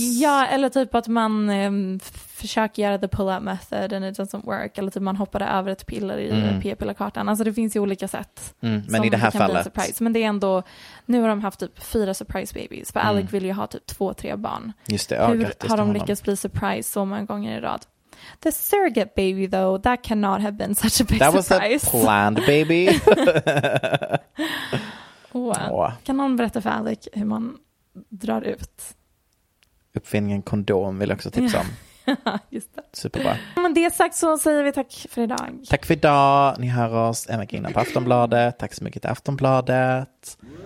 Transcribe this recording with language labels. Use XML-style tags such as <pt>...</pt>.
<sv>Ja, eller typ att man... försök göra</sv> <en>the pull-out method and it doesn't work.</en> <sv>Eller typ man hoppade över ett piller i p-pillerkartan. Alltså det finns ju olika sätt. Mm. Men i det här fallet.</sv> <en>Surprise.</en> <sv>Men det är ändå, nu har de haft typ fyra surprise babies. För Alec vill ju ha typ två, tre barn. Just det. Hur har de lyckats bli surprise så många gånger i rad?</sv> <en>The surrogate baby though, that cannot have been such a big that surprise. That was a planned baby.</en> <sv>Kan någon berätta för Alec hur man drar ut? Uppfinningen kondom vill jag också tipsa om. Just det. Superbra. Men det sagt så säger vi tack för idag. Tack för idag. Ni hör oss en vecka innan på Aftonbladet. Tack så mycket till Aftonbladet.</sv>